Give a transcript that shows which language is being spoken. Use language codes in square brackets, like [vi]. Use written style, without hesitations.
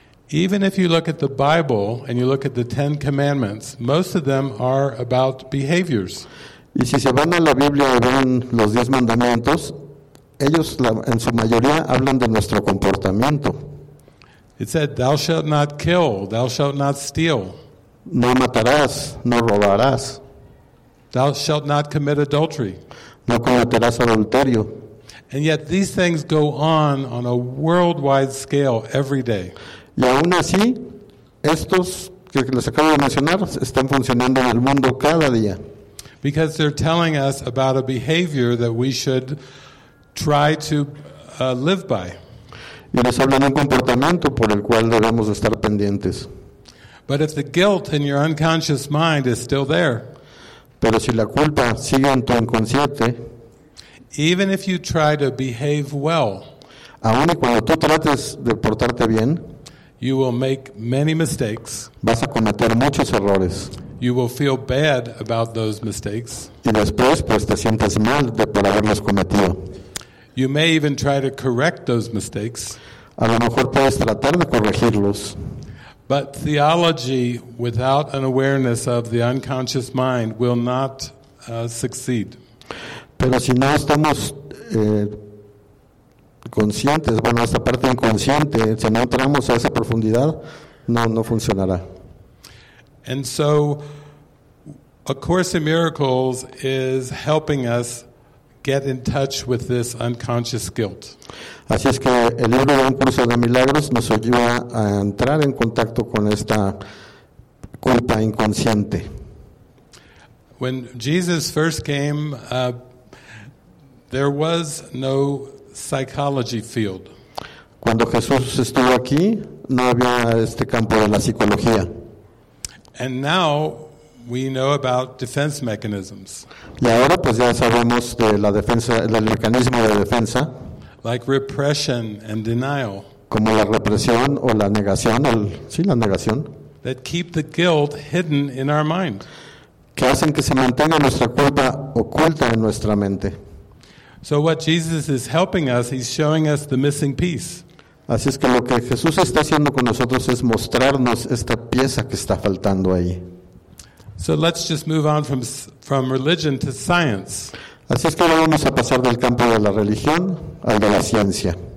[en] Even if you look at the Bible and you look at the Ten Commandments, most of them are about behaviors. [es] Y si se van a la Biblia y ven los diez mandamientos, ellos en su mayoría hablan de nuestro comportamiento. [en] It said, thou shalt not kill, thou shalt not steal. [es] No matarás, no robarás. [en] Thou shalt not commit adultery. [es] No cometerás adulterio. [en] And yet these things go on a worldwide scale every day. [es] Y aún así, estos que les acabo de mencionar están funcionando en el mundo cada día. [en] Because they're telling us about a behavior that we should try to live by. [es] Y nos hablan de un comportamiento por el cual debemos estar pendientes. [en] But if the guilt in your unconscious mind is still there, [es] pero si la culpa sigue en tu inconsciente, [en] even if you try to behave well, [es] aun y cuando tú trates de portarte bien, [en] you will make many mistakes, [es] vas a cometer muchos errores, [en] you will feel bad about those mistakes, [es] y después pues te sientes mal por haberlos cometido. [en] You may even try to correct those mistakes. [es] A lo mejor puedes tratar de corregirlos. [en] But theology without an awareness of the unconscious mind will not succeed. [es] Pero si no estamos conscientes, bueno, esta parte inconsciente, si no entramos a esa profundidad, no funcionará. [en] And so, A Course in Miracles is helping us get in touch with this unconscious guilt. [es] Así es que el libro de Un Curso de Milagros nos ayuda a entrar en contacto con esta culpa inconsciente. [en] When Jesus first came, there was no psychology field. [es] Cuando Jesús estuvo aquí, no había este campo de la psicología. [en] And now we know about defense mechanisms. [es] Y ahora pues ya sabemos de la defensa, del mecanismo de defensa. [en] Like repression and denial. [es] Como la represión o la negación, la negación. [en] That keep the guilt hidden in our mind. [es] Que hacen que se mantenga nuestra culpa oculta en nuestra mente. [en] So what Jesus is helping us, he's showing us the missing piece. [es] Así es que lo que Jesús está haciendo con nosotros es mostrarnos esta pieza que está faltando ahí. [en] So let's just move on from religion to science. [es] Así es que vamos a pasar del campo de la religión al de la ciencia.